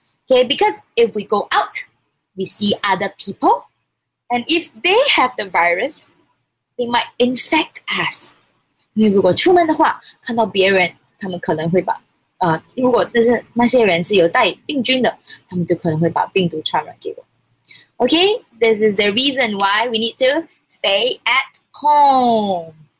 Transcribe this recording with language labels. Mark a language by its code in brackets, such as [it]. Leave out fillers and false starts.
[en] Okay, because if we go out, we see other people. And if they have the virus, they might infect us. [zh] 因为如果出门的话, 看到别人, 他们可能会把, 如果那些人是有带病菌的, 他们就可能会把病毒传染给我. [en] Okay, this is the reason why we need to stay at home.